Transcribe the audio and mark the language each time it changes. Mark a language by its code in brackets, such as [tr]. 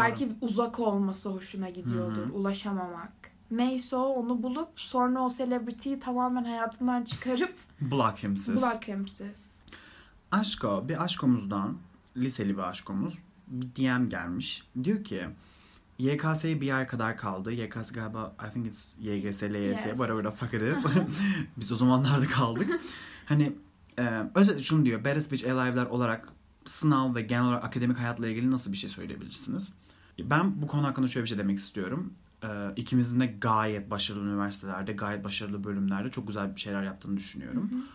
[tr] Belki uzak olması hoşuna gidiyordur. Hı-hı. Ulaşamamak. Neyse o onu bulup sonra o celebrity'yi tamamen hayatından çıkarıp [en] block him sis. Block him sis. [tr] Aşko, bir aşkomuzdan, liseli bir aşkomuz, bir DM gelmiş. Diyor ki, YKS'ye bir ay kadar kaldı. [en] YKS galiba, I think it's YGS, LYS, Whatever the fuck it is. [tr] Biz o zamanlarda kaldık. Hani özellikle şunu diyor, Baddest Bitch Alive'lar olarak sınav ve genel olarak akademik hayatla ilgili nasıl bir şey söyleyebilirsiniz? Ben bu konu hakkında şöyle bir şey demek istiyorum. İkimizin de gayet başarılı üniversitelerde, gayet başarılı bölümlerde çok güzel bir şeyler yaptığını düşünüyorum.